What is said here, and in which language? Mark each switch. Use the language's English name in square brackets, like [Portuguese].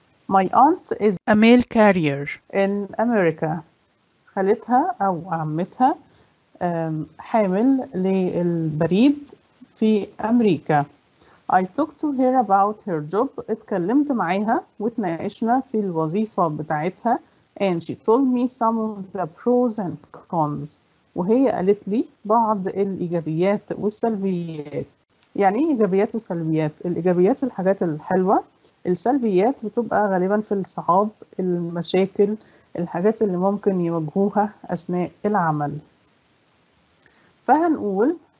[English] My aunt is a mail carrier in America. [Arabic] خالتها أو عمتها حامل للبريد في أمريكا. [English] I talked to her about her job. [Arabic] اتكلمت معيها واتناقشنا في الوظيفة بتاعتها. [English] And she told me some of the pros and cons. [Arabic] وهي قالت لي بعض الإيجابيات والسلبيات. يعني إيه إيجابيات وسلبيات؟ الإيجابيات الحاجات الحلوة. السلبيات بتبقى غالباً في الصعاب، المشاكل، الحاجات اللي ممكن يواجهوها أثناء العمل. فهنقول